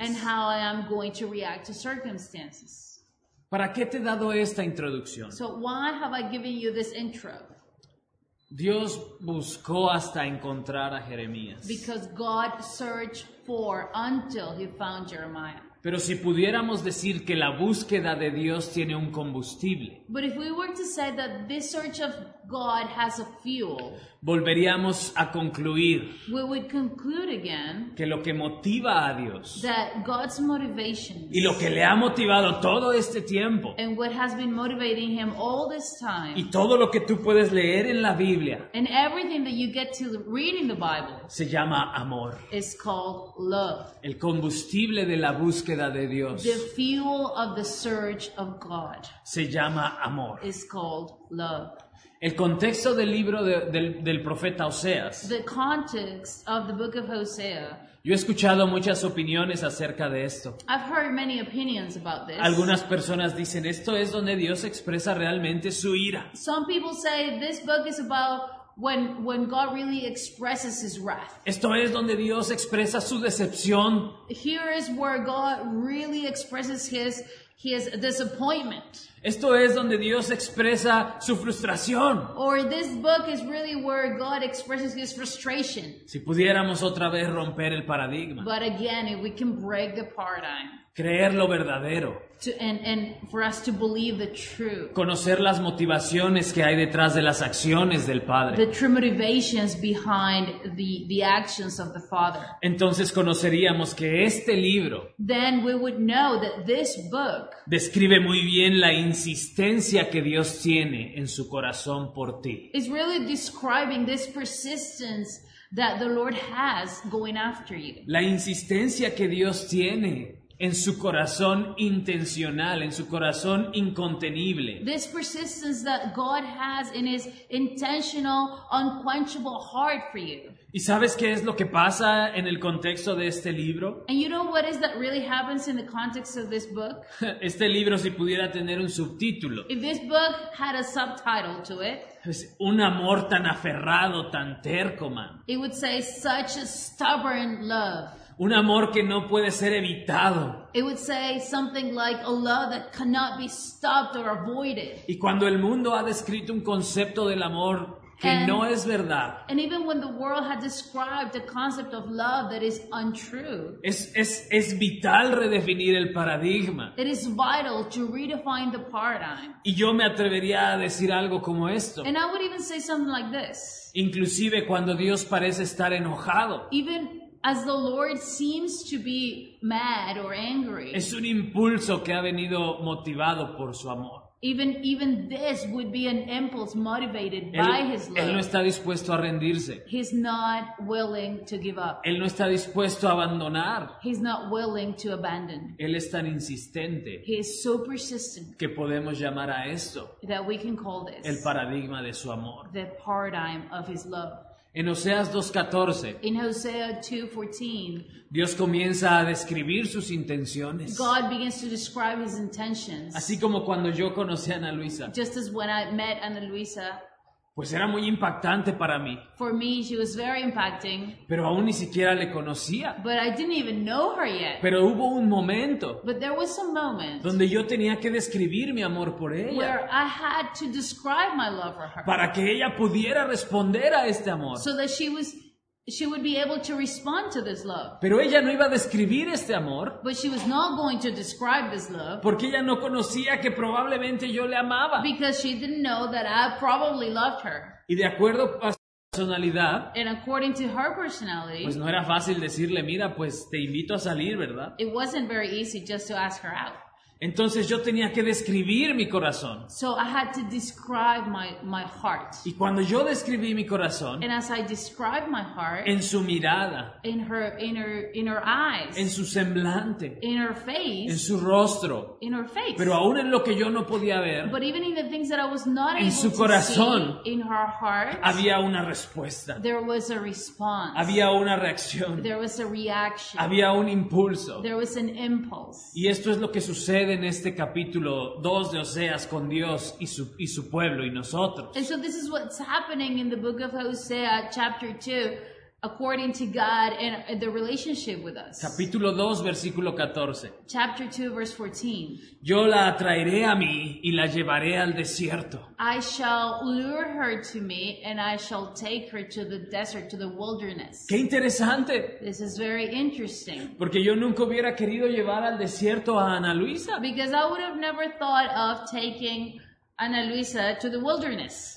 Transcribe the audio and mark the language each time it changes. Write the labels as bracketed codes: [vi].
[en] And how I am going to react to circumstances. [es] ¿Para qué te he dado esta introducción? [en] So why have I given you this intro? [es] Dios buscó hasta encontrar a Jeremías. [en] Because God searched for until he found Jeremiah. [es] Pero si pudiéramos decir que la búsqueda de Dios tiene un combustible. [en] But if we were to say that this search of God has a fuel. [es] Volveríamos a concluir. [en] We would conclude again. [es] Que lo que motiva a Dios. [en] That God's motivations. [es] Y lo que le ha motivado todo este tiempo. [en] And what has been motivating him all this time. [es] Y todo lo que tú puedes leer en la Biblia. [en] And everything that you get to read in the Bible. [es] Se llama amor. [en] Is called love. [es] El combustible de la búsqueda de Dios. [en] The fuel of the search of God. [es] Se llama amor. [en] Is called love. [es] El contexto del libro del profeta Oseas. [en] The context of the book of Hosea. [es] Yo he escuchado muchas opiniones acerca de esto. [en] I've heard many opinions about this. [es] Algunas personas dicen esto es donde Dios expresa realmente su ira. [en] Some people say this book is about when God really expresses his wrath. [es] Esto es donde Dios expresa su decepción. [en] Here is where God really expresses his disappointment. [es] Esto es donde Dios expresa su frustración. [en] Or this book is really where God expresses his frustration. [es] Si pudiéramos otra vez romper el paradigma. [en] But again, if we can break the paradigm. [es] Creer lo verdadero. [en] And for us to believe the true. [es] Conocer las motivaciones que hay detrás de las acciones del Padre. [en] The true motivations behind the actions of the Father. [es] Entonces conoceríamos que este libro. [en] Then we would know that this book. [es] Describe muy bien la insistencia que Dios tiene en su corazón por ti. [en] It's really describing this persistence that the Lord has going after you. [es] La insistencia que Dios tiene. En su corazón intencional, en su corazón incontenible. [en] This persistence that God has in his intentional, unquenchable heart for you. [es] ¿Y sabes qué es lo que pasa en el contexto de este libro? [en] And you know what is that really happens in the context of this book? [es] Este libro si pudiera tener un subtítulo. [en] If this book had a subtitle to it. [es] Es un amor tan aferrado, tan terco, man. [en] It would say such a stubborn love. [es] Un amor que no puede ser evitado. [en] It would say something like a love that cannot be stopped or avoided. [es] Y cuando el mundo ha descrito un concepto del amor que no es verdad. [en] And even when the world had described a concept of love that is untrue. [es] Es vital redefinir el paradigma. [en] It is vital to redefine the paradigm. [es] Y yo me atrevería a decir algo como esto. [en] And I would even say something like this. [es] Inclusive cuando Dios parece estar enojado. [en] Even as the Lord seems to be mad or angry. [es] Es un impulso que ha venido motivado por su amor. [en] Even this would be an impulse motivated by his love. [es] Él no está dispuesto a rendirse. [en] He's not willing to give up. [es] Él no está dispuesto a abandonar. [en] He's not willing to abandon. [es] Él es tan insistente. [en] He is so persistent. [es] Que podemos llamar a esto. [en] That we can call this. [es] El paradigma de su amor. [en] The paradigm of his love. [es] En Oseas 2:14. [en] In Hosea 2:14. [es] Dios comienza a describir sus intenciones. [en] God begins to describe his intentions. [es] Así como cuando yo conocí a Ana Luisa. [en] Just as when I met Ana Luisa. [es] Pues era muy impactante para mí. [en] For me, she was very impacting. [es] Pero aún ni siquiera le conocía. [en] But I didn't even know her yet. [es] Pero hubo un momento. [en] But there was a moment. [es] Donde yo tenía que describir mi amor por ella. [en] Where I had to describe my love for her. [es] Para que ella pudiera responder a este amor. [en] So that she would be able to respond to this love. [es] Pero ella no iba a describir este amor. [en] But she was not going to describe this love. [es] Porque ella no conocía que probablemente yo le amaba. [en] Because she didn't know that I probably loved her. [es] Y de acuerdo a su personalidad. [en] And according to her personality. [es] Pues no era fácil decirle, mira, pues te invito a salir, ¿verdad? [en] It wasn't very easy just to ask her out. [es] Entonces yo tenía que describir mi corazón. [en] So I had to describe my heart. [es] Y cuando yo describí mi corazón, [en] and as I described my heart, [es] en su mirada, [en] in her eyes, [es] en su semblante, [en] in her face, [es] en su rostro, [en] in her face, [es] pero aún en lo que yo no podía ver, [en] but even in the things that I was not [es] en [en] able [es] su corazón, [en] to see, in her heart, [es] había una respuesta. [en] There was a response. [es] Había una reacción. [en] There was a reaction. [es] Había un impulso. [en] There was an impulse. [es] Y esto es lo que sucede en este capítulo 2 de Oseas con Dios y su pueblo y nosotros. [en] And so this is what's happening in the book of Hosea, chapter 2, according to God and the relationship with us. [es] Capítulo 2, versículo 14. [en] Chapter 2, verse 14. [es] Yo la atraeré a mí y la llevaré al desierto. [en] I shall lure her to me and I shall take her to the desert, to the wilderness. [es] ¡Qué interesante! [en] This is very interesting. [es] Porque yo nunca hubiera querido llevar al desierto a Ana Luisa. [en] Because I would have never thought of taking Ana Luisa to the wilderness.